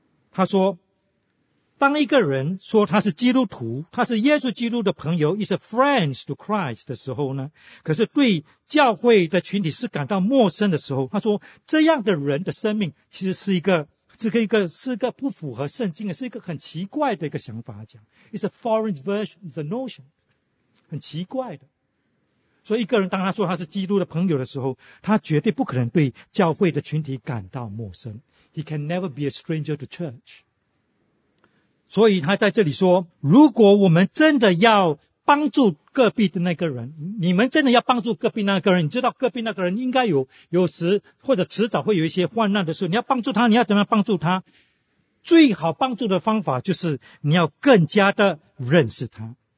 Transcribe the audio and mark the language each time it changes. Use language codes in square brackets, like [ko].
[zh] 他说，当一个人说他是基督徒，他是耶稣基督的朋友 [en] is a friend to Christ [zh] 的时候呢，可是对教会的群体是感到陌生的时候，他说这样的人的生命其实是一个是个不符合圣经的，是一个很奇怪的一个想法。 [en] 讲 ，It's a foreign version, the notion, [zh] 很奇怪的。所以一个人当他说他是基督的朋友的时候，他绝对不可能对教会的群体感到陌生。 [en] He can never be a stranger to church. [zh] 所以他在这里说，如果我们真的要帮助隔壁的那个人，你们真的要帮助隔壁那个人，你知道隔壁那个人应该有时或者迟早会有一些患难的时候，你要帮助他，你要怎么样帮助他？最好帮助的方法就是你要更加的认识他。